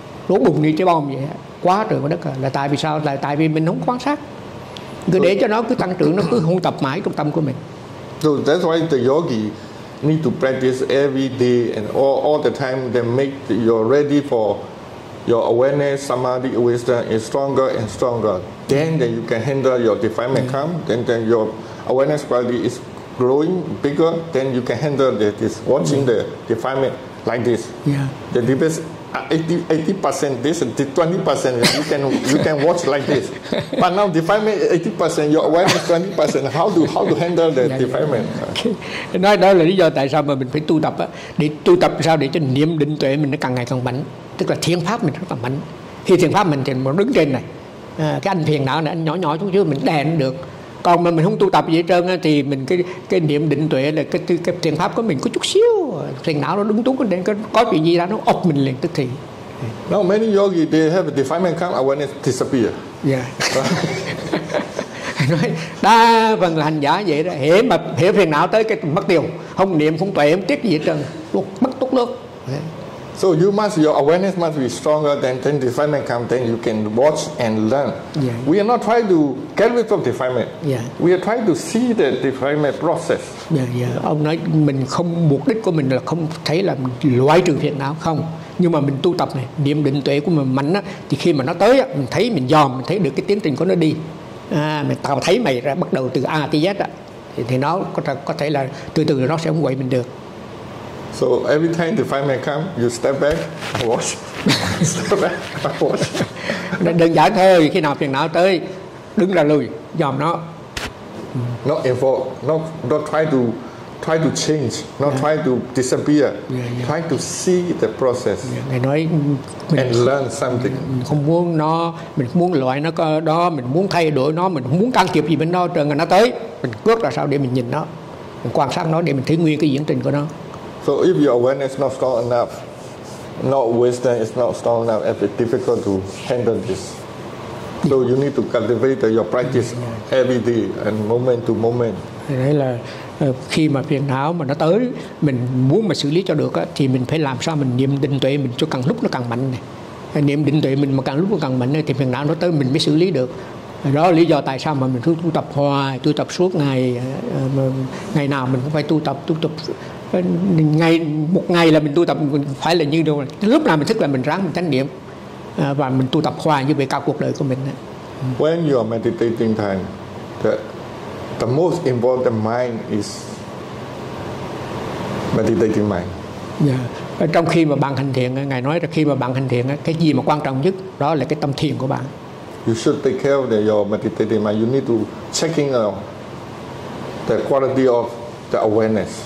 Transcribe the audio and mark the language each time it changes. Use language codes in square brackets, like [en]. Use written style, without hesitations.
[vi] Nổ bùng như trái bom vậy, quá trời quá đất rồi. Là tại vì sao? Là tại vì mình không quan sát. Cứ để cho nó cứ tăng trưởng, nó cứ hung tập mãi trong tâm của mình. [en] So that's why the yogi need to practice every day and all the time to make you ready for your awareness, samadhi, wisdom is stronger and stronger. Then you can handle your defilement come. Then your awareness quality is growing bigger. Then you can handle this watching the defilement like this. Yeah. The deepest 80% this, 20% you can watch like this. But now defilement 80%, your awareness 20%. How to handle the defilement? Okay. [vi] Nói đó là lý do tại sao mà mình phải tu tập á. Để tu tập sao để cho niệm định tuệ mình nó càng ngày càng mạnh. Tức là thiện pháp mình rất là mạnh. Khi thiện pháp mình thì mình đứng trên này. Cái anh phiền não này, anh nhỏ xuống dưới mình đè được. Còn mà mình không tu tập gì hết trơn á, thì mình cái niệm định tuệ là cái thiền pháp của mình có chút xíu phiền não nó đúng túng, có chuyện gì ra nó ốc mình liền tức thì. [en] Now many yogi they have a defilement come awareness disappear. Yeah. [vi] Nói đa phần là hành giả vậy đó, hễ mà hễ phiền não tới cái mất tiêu, không niệm không tuệ không tiếc gì hết trơn, luôn mất tốt luôn. [en] So your awareness must be stronger than the defilement come, then you can watch and learn. Yeah. We are not trying to get rid of defilement. Yeah. We are trying to see the defilement process. Yeah, yeah. [vi] Ông nói mình không, mục đích của mình là không thấy là loại trừ phiền não không. Nhưng mà mình tu tập này, niệm định tuệ của mình mạnh á, thì khi mà nó tới á, mình thấy mình dòm, mình thấy được cái tiến trình của nó đi. À, mình tạo thấy mày ra bắt đầu từ A tới Z á. thì nó có thể là từ từ nó sẽ không quậy mình được. [en] So every time the fireman come, you step back, watch. Step back, watch. [vi] Đơn giản thôi, khi nào phiền não tới, đứng ra lùi, dòm nó. [en] Not involved, not try to change, try to disappear, try to see the process. [vi] Ngài nói mình, [en] and learn something. [vi] Mình không muốn loại nó đó, mình muốn thay đổi nó, mình không muốn can thiệp gì bên đó, trời ngài nó tới, mình bước ra sao để mình nhìn nó, mình quan sát nó để mình thấy nguyên cái diễn trình của nó. [en] So if your awareness is not strong enough, not wisdom is not strong enough, it's difficult to handle this. So you need to cultivate your practice every day and moment to moment. [vi] Đấy là khi mà phiền não mà nó tới, mình muốn mà xử lý cho được á, thì mình phải làm sao mình niệm định tuệ mình cho càng lúc nó càng mạnh này. Niệm định tuệ mình mà càng lúc nó càng mạnh này, thì phiền não nó tới mình mới xử lý được. Đó là lý do tại sao mà mình cứ tu tập hoài, tu tập suốt ngày, ngày nào mình cũng phải tu tập ngày một ngày là mình tu tập phải là như đâu rồi. Lúc nào mình thức là mình ráng mình chánh niệm và mình tu tập hoài như vậy cả cuộc đời của mình. [en] When you are meditating time, the most important mind is meditating mind. Yeah. [vi] Trong khi mà bạn hành thiền, ngài nói là khi mà bạn hành thiền, cái gì mà quan trọng nhất đó là cái tâm thiền của bạn. [en] You should take care of that your meditating mind. You need to checking out the quality of the awareness.